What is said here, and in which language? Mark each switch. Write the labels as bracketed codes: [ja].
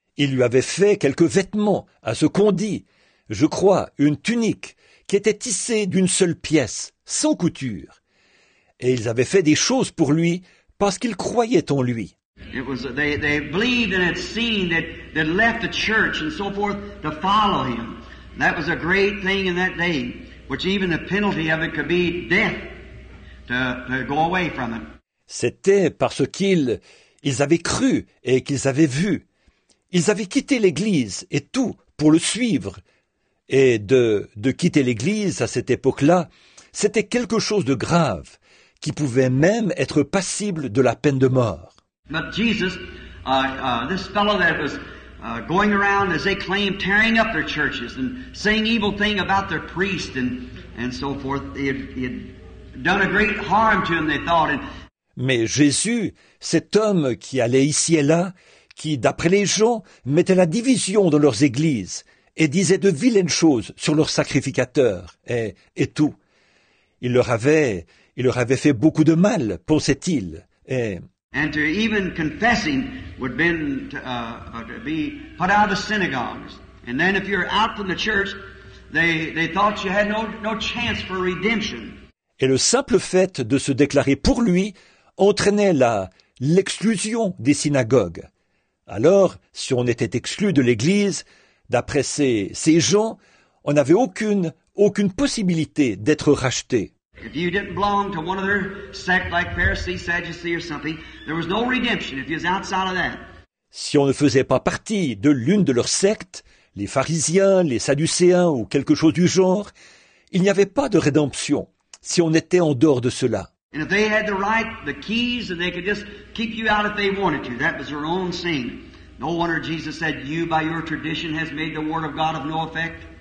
[fr] Il lui avait fait quelques vêtements, à ce qu'on dit, je crois, une tunique, qui était tissée d'une seule pièce, sans couture. Et ils avaient fait des choses pour lui parce qu'ils croyaient en lui. [en] It was, they believed and had seen that they left the church and so forth to follow him. That was a great thing in that day, which even the penalty of it could be death to go away from him. [fr] C'était parce qu'ils avaient cru et qu'ils avaient vu. Ils avaient quitté l'église et tout pour le suivre. Et de quitter l'église à cette époque-là, c'était quelque chose de grave qui pouvait même être passible de la peine de mort. [en] But Jesus, this fellow that was going around, as they claim, tearing up their churches and saying evil things about their priests and so forth. He had done a great harm to them, they thought. [fr] Mais Jésus, cet homme qui allait ici et là, qui, d'après les gens, mettait la division dans leurs églises et disait de vilaines choses sur leurs sacrificateurs et tout. Il leur avait fait beaucoup de mal, pensait-il. [en] And to even confessing would have been to be put out of synagogues. And then if you're out from the church, they thought you had no chance for redemption. [fr] Et le simple fait de se déclarer pour lui entraînait l'exclusion des synagogues. Alors, si on était exclu de l'église, d'après ces gens, on n'avait aucune possibilité d'être racheté. [en] If you didn't belong to one of their sect, like Pharisee, Sadducee, or something, there was no redemption if you was outside of that. [fr] Si on ne faisait pas partie de l'une de leurs sectes, les pharisiens, les sadducéens ou quelque chose du genre, il n'y avait pas de rédemption si on était en dehors de cela. [en] And if they had the right, the keys, and they could just keep you out if they wanted to, that was their own sin. No wonder Jesus said, "You by your tradition has made the word of God of no effect."